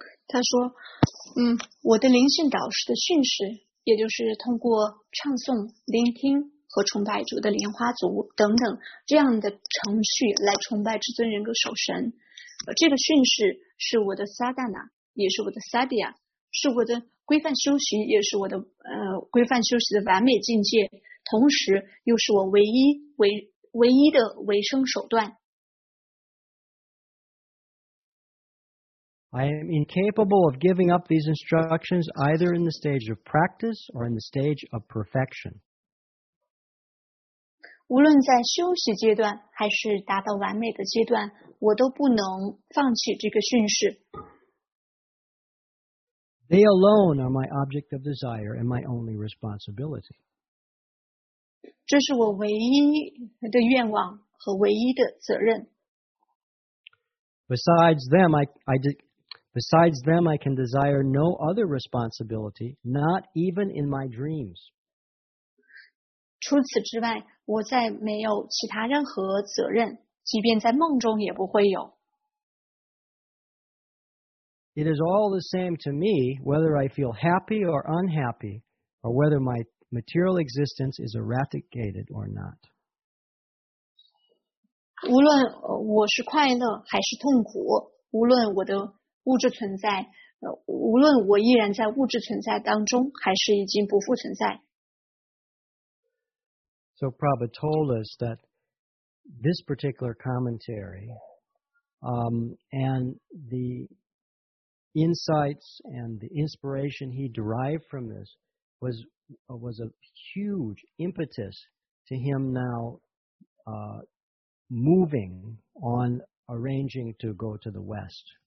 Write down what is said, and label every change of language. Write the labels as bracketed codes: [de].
[zh] 他说我的灵性导师的训示也就是通过唱诵聆听和崇拜主的莲花足等等这样的程序来崇拜至尊人格守神这个训示是我的 sadhana 也是我的 sadhya 是我的规范修习也是我的规范修习的完美境界同时又是我唯一的维生手段 [en] I am incapable of giving up these instructions either in the stage of practice or in the stage of perfection. [zh] 无论在休息阶段还是达到完美的阶段，我都不能放弃这个训示。 [en] They alone are my object of desire and my only responsibility. [zh] 这是我唯一的愿望和唯一的责任。 [en] Besides them, Besides them, I can desire no other responsibility, not even in my dreams. [zh] 除此之外，我再没有其他任何责任，即便在梦中也不会有。 [en] It is all the same to me whether I feel happy or unhappy, or whether my material existence is eradicated or not. [zh] 无论我是快乐还是痛苦，无论我的物质存在，无论我依然在物质存在当中，还是已经不复存在。 [en] So Prabhupada told us that this particular commentary, and the insights and the inspiration he derived from this was a huge impetus to him now, moving on arranging to go to the West.